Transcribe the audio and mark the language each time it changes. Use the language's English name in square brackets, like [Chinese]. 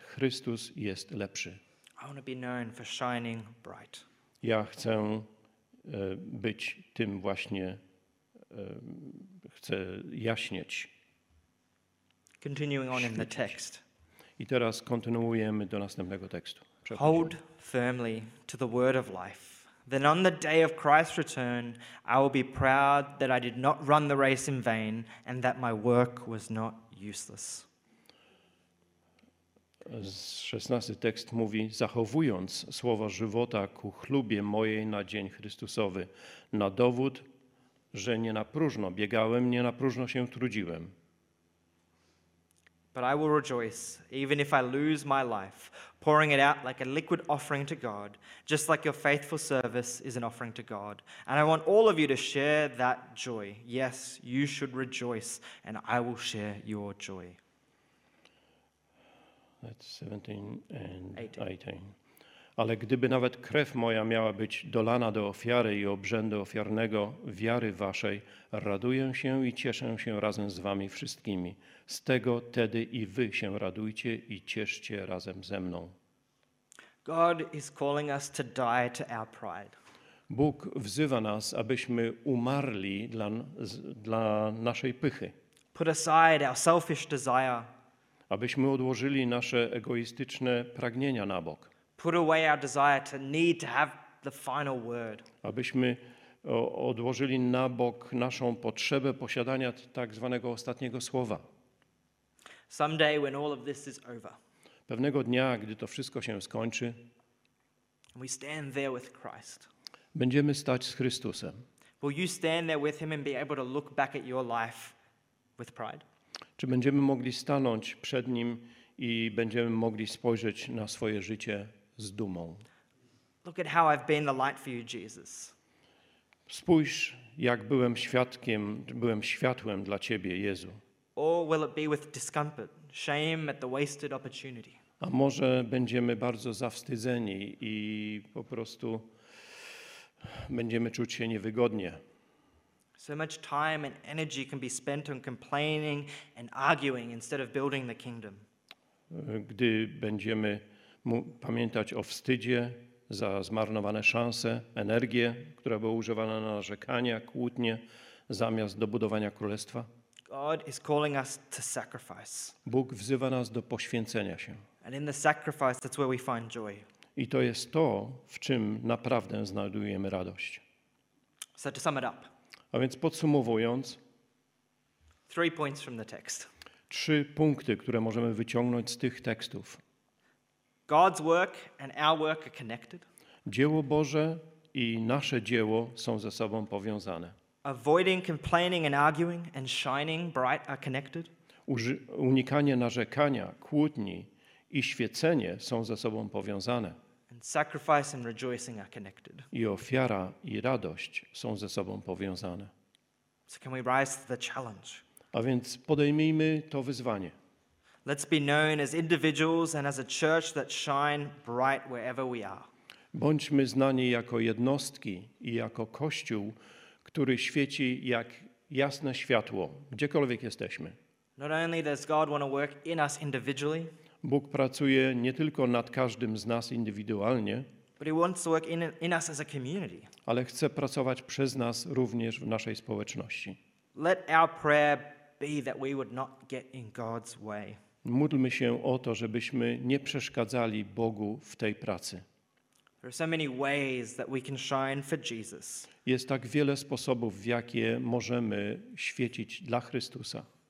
[Polish] Chrystus jest lepszy. [English] I want to be known for shining bright. [Polish] Ja chcę być tym właśnie, chcę jaśnieć. [English] Continuing on in the text. [Polish] I teraz kontynuujemy do następnego tekstu. [English] Hold firmly to the word of life. Then on the day of Christ's return, I will be proud that I did not run the race in vain and that my work was not useless. [Polish] 16 tekst mówi, zachowując słowo żywota ku chlubie mojej na dzień Chrystusowy, na dowód, że nie na próżno biegałem, nie na próżno się trudziłem. [English] But I will rejoice, even if I lose my life, pouring it out like a liquid offering to God, just like your faithful service is an offering to God. And I want all of you to share that joy. Yes, you should rejoice, and I will share your joy. That's 17 and 18. [Polish] Ale gdyby nawet krew moja miała być dolana do ofiary i obrzędu ofiarnego wiary waszej, raduję się i cieszę się razem z wami wszystkimi. Z tego tedy i wy się radujcie i cieszcie razem ze mną. [English] God is calling us to die to our pride. [Polish] Bóg wzywa nas, abyśmy umarli dla naszej pychy. [English] Put aside our selfish desire. [Polish] Abyśmy odłożyli nasze egoistyczne pragnienia na bok. [English] Put away our desire to need to have the final word. [Polish] Abyśmy odłożyli na bok naszą potrzebę posiadania tak zwanego ostatniego słowa. [English] Someday when all of this is over. [Polish] Pewnego dnia, gdy to wszystko się skończy. [English] We stand there with Christ. [Polish] Będziemy stać z Chrystusem. [English] Will you stand there with him and be able to look back at your life with pride? [Polish] Czy będziemy mogli stanąć przed nim i będziemy mogli spojrzeć na swoje życie z dumą? [English] Look at how I've been the light for you, Jesus. [Polish] Spójrz, jak byłem światłem dla ciebie, Jezu. [English] Or will it be with discomfort, shame at the wasted opportunity? [Polish] A może będziemy bardzo zawstydzeni i po prostu będziemy czuć się niewygodnie. [English] So much time and energy can be spent on complaining and arguing instead of building the kingdom. [Polish] Gdy będziemy pamiętać o wstydzie za zmarnowane szanse, energię, która była używana na narzekania, kłótnie, zamiast do budowania królestwa. [English] God is calling us to sacrifice. [Polish] Bóg wzywa nas do poświęcenia się. [English] And in the sacrifice, that's where we find joy. [Polish] I to jest to, w czym naprawdę znajdujemy radość. [English] So to sum it up. [Polish] A więc podsumowując, [English] 3 points from the text. [Polish] 3 punkty, które możemy wyciągnąć z tych tekstów. [English] God's work and our work are connected. [Polish] Dzieło Boże i nasze dzieło są ze sobą powiązane. [English] Avoiding complaining and arguing and shining bright are connected. [Polish] Unikanie narzekania, kłótni i świecenie są ze sobą powiązane. [English] And sacrifice and rejoicing are connected. [Polish] I ofiara i radość są ze sobą powiązane. [English] So can we rise to the challenge? [Polish] A więc podejmijmy to wyzwanie. [English] Let's be known as individuals and as a church that shine bright wherever we are. [Polish] Bądźmy znani jako jednostki i jako kościół, który świeci jak jasne światło, gdziekolwiek jesteśmy. [English] Not only does God want to work in us individually, [Polish] Bóg pracuje nie tylko nad każdym z nas indywidualnie, [English] but he wants to work in us as a community. [Polish] Ale chce pracować przez nas również w naszej społeczności. [English] Let our prayer be that we would not get in God's way. [Polish] Módlmy się o to, żebyśmy nie przeszkadzali Bogu w tej pracy. [English] There are so many ways that we can shine for Jesus. [Polish] Jest tak wiele sposobów, w jakie możemy świecić dla Chrystusa.